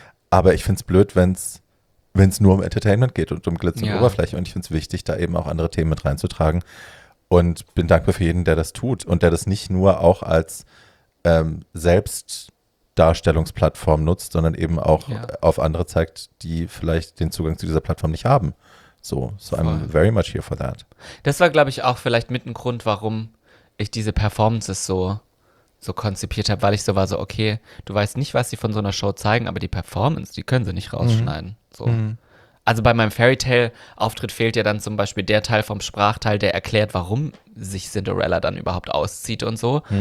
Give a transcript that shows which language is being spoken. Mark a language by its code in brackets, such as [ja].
[de] Aber ich finde es blöd, wenn es nur um Entertainment geht und um Glitz und Oberfläche. Und ich finde es wichtig, da eben auch andere Themen mit reinzutragen. Und bin dankbar für jeden, der das tut und der das nicht nur auch als Selbstdarstellungsplattform nutzt, sondern eben auch auf andere zeigt, die vielleicht den Zugang zu dieser Plattform nicht haben. [en] So I'm very much here for that. [de] Das war, glaube ich, auch vielleicht mit ein Grund, warum ich diese Performances so konzipiert habe, weil ich so war, so okay, du weißt nicht, was sie von so einer Show zeigen, aber die Performance, die können sie nicht rausschneiden. Also bei meinem Fairytale-Auftritt fehlt ja dann zum Beispiel der Teil vom Sprachteil, der erklärt, warum sich Cinderella dann überhaupt auszieht und so.